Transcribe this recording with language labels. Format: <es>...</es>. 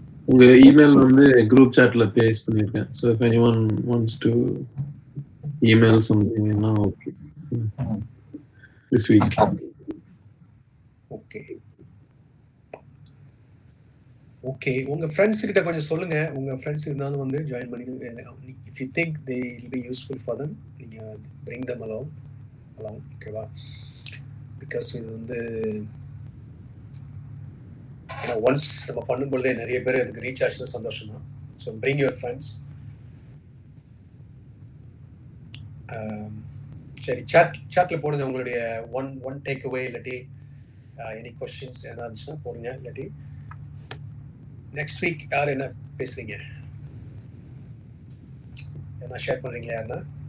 <ta>உங்க இமெயில் வந்து group சாட்ல paste பண்ணிருக்கேன், so if anyone wants to email something னா okay.</ta> <en>This week. Okay. Okay.</en> <ta>உங்க ஃப்ரெண்ட்ஸ் கிட்ட கொஞ்சம் சொல்லுங்க, உங்க ஃப்ரெண்ட்ஸ் இருந்தாலும் வந்து ஜாயின் பண்ணிடுங்க.</ta> <en>If you think they will be useful for them, you bring them along. Okay, wow. Because we வந்து you know, once நம்ம பண்ணும்போது நிறைய பேர் அதுக்கு ரீசார்ஜ்ல சந்தோஷம் தான். So bring your friends.</en> <ta>சரி, சாட்ல போடுங்க உங்களுடைய ஒன் டேக் அவே, இல்லாட்டி எனி க்வெஸ்சன்ஸ் ஏதா இருந்துச்சுன்னா போடுங்க, இல்லாட்டி நெக்ஸ்ட் வீக் யார் என்ன பேசுறீங்க, என்ன ஷேர் பண்றீங்களா</ta>